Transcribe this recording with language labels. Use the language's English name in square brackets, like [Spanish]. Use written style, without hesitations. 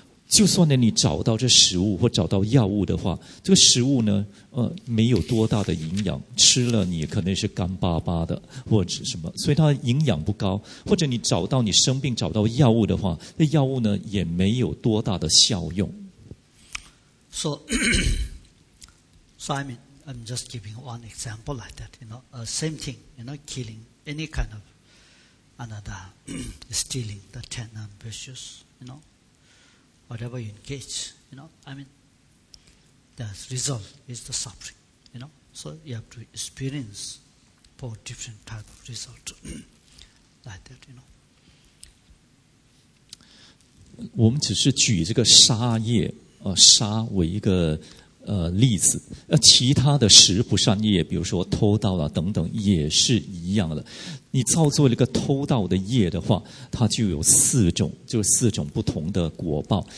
[Chinese] 就算呢，你找到这食物或找到药物的话，这个食物呢，没有多大的营养，吃了你可能是干巴巴的或者什么，所以它营养不高。或者你找到你生病找到药物的话，那药物呢也没有多大的效用。 [English] So I'm just giving one example like that. You know, same thing. You know, killing any kind of another stealing the ten ambitious. You know. Whatever you engage, you know, I mean, the result is the suffering, you know. So you have to experience four different types of results like that, you know. [Chinese] 我们只是举这个沙叶，沙为一个例子，其他的十不善业，比如说偷盗啊等等，也是一样的。你造作了一个偷盗的业的话，它就有四种，就是四种不同的果报。